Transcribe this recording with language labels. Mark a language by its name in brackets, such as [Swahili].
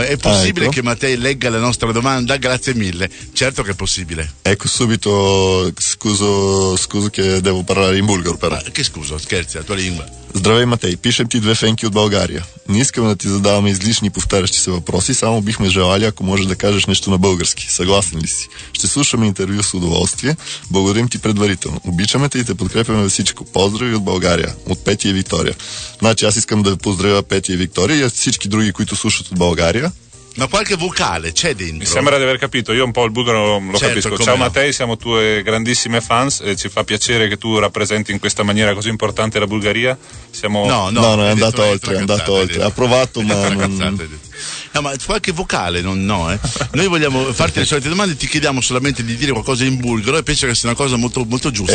[Italian] È possibile che Matei legga la nostra domanda? Grazie mille. Certo che è possibile. Ecco, subito scuso che devo parlare in bulgaro, però. Che scuso, scherzi, la tua lingua. [Bulgarian] Здравей, Матей. Пишем ти две фенки от България. Не искаме да ти задаваме излишни повтарящи се въпроси, само бихме желали, ако можеш да кажеш нещо на български. Съгласен ли си? Ще слушаме интервю с удоволствие. Благодарим ти предварително. Обичаме те и те подкрепяме за всичко. Поздрави от България. От Петя и Виктория. Значи аз искам да поздравя Петя и Виктория и всички други, които слушат от България. [Italian] Ma qualche vocale c'è dentro? Mi sembra di aver capito, io un po' il bulgaro lo certo, capisco. Ciao Matei, siamo tue grandissime fans e ci fa piacere che tu rappresenti in questa maniera così importante la Bulgaria. No, è andato oltre, ha provato ma... No, ma qualche vocale, noi vogliamo farti le solite domande, ti chiediamo solamente di dire qualcosa in bulgaro e penso che sia una cosa molto, molto giusta.